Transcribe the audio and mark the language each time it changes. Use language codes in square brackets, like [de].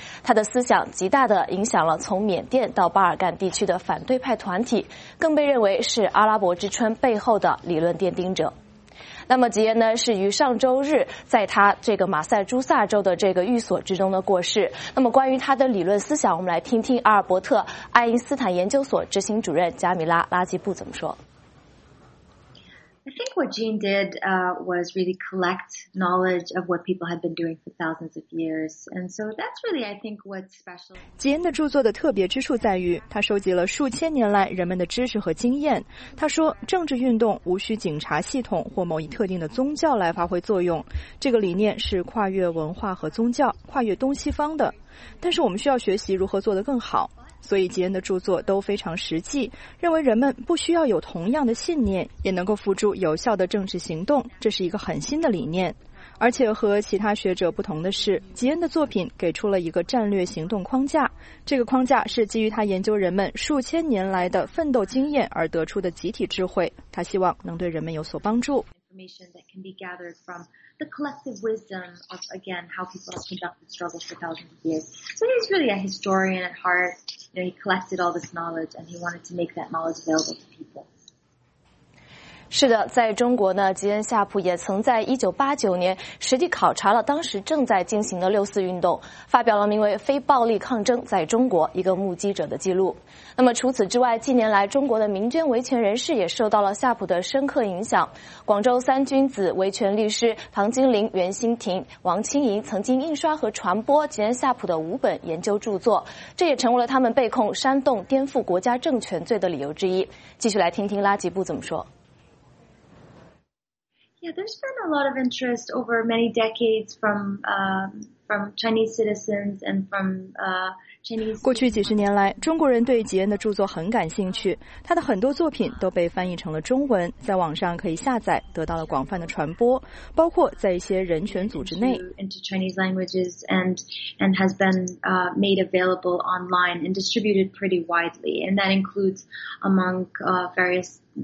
[zh] 他的思想极大地影响了从缅甸到巴尔干地区的反对派团体，更被认为是阿拉伯之春背后的理论奠定者。那么吉恩呢，是于上周日在他这个马赛诸塞州的这个寓所之中的过世。那么关于他的理论思想，我们来听听阿尔伯特·爱因斯坦研究所执行主任加米拉·拉基布怎么说。 [en] I think what Gene did, was really collect knowledge of what people had been doing for thousands of years. And so that's really, I think, what's special. [zh] 吉恩的著作的特别之处在于，他收集了数千年来人们的知识和经验。他说，政治运动无需警察系统或某一特定的宗教来发挥作用。这个理念是跨越文化和宗教，跨越东西方的。但是我们需要学习如何做得更好。所以吉恩的著作都非常实际，认为人们不需要有同样的信念，也能够付诸有效的政治行动，这是一个很新的理念。而且和其他学者不同的是，吉恩的作品给出了一个战略行动框架，这个框架是基于他研究人们数千年来的奋斗经验而得出的集体智慧，他希望能对人们有所帮助。 [en] information that can be gathered from the collective wisdom of, again, how people have conducted struggles for thousands of years. So he's really a historian at heart. You know, he collected all this knowledge and he wanted to make that knowledge available to people. [zh] 是的，在中国呢，吉恩夏普也曾在1989年实地考察了当时正在进行的六四运动，发表了名为《非暴力抗争在中国：一个目击者的记录》。那么除此之外，近年来中国的民间维权人士也受到了夏普的深刻影响。广州三君子维权律师唐金玲、袁新婷、王清怡曾经印刷和传播吉恩夏普的五本研究著作，这也成为了他们被控煽动颠覆国家政权罪的理由之一。继续来听听拉吉布怎么说。 [en] Yeah, there's been a lot of interest over many decades from Chinese citizens and from Chinese. [zh] 过去几十年来，中国人对吉恩的著作很感兴趣，他的很多作品都被翻译成了中文，在网上可以下载，得到了广泛的传播，包括在一些人权组织内。 [en] Into Chinese languages and has been made available online and distributed pretty widely, and that includes among various.